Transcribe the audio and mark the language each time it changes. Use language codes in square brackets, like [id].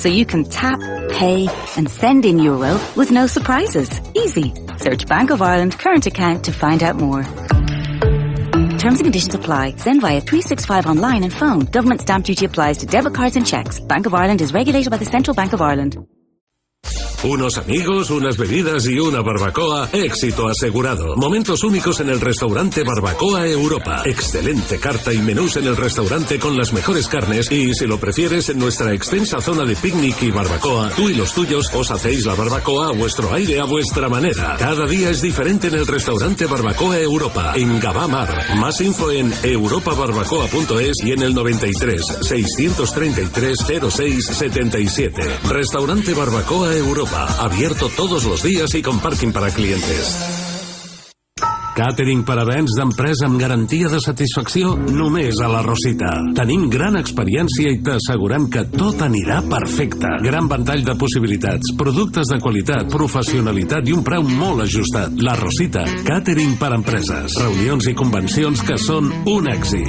[en] So you can tap, pay, and send in euro with no surprises. Easy. Search Bank of Ireland current account to find out more. Terms and conditions apply. Send via 365 online and phone. Government stamp duty applies to debit cards and checks. Bank of Ireland is regulated by the Central Bank of Ireland. [es] Unos amigos, unas bebidas y una barbacoa, éxito asegurado. Momentos únicos en el restaurante Barbacoa Europa. Excelente carta y menús en el restaurante con las mejores carnes y, si lo prefieres, en nuestra extensa zona de picnic y barbacoa, tú y los tuyos os hacéis la barbacoa a vuestro aire, a vuestra manera. Cada día es diferente en el restaurante Barbacoa Europa, en Gavamar. Más info en europabarbacoa.es y en el 93-633-0677. Restaurante Barbacoa Europa, abierto todos los días y con parking para clientes. [ca] Càtering per a events d'empresa amb garantia de satisfacció només a La Rosita. Tenim gran experiència i t'assegurem que tot anirà perfecte. Gran ventall de possibilitats, productes de qualitat, professionalitat i un preu molt ajustat. La Rosita, càtering per a empreses. Reunions i convencions que són un èxit.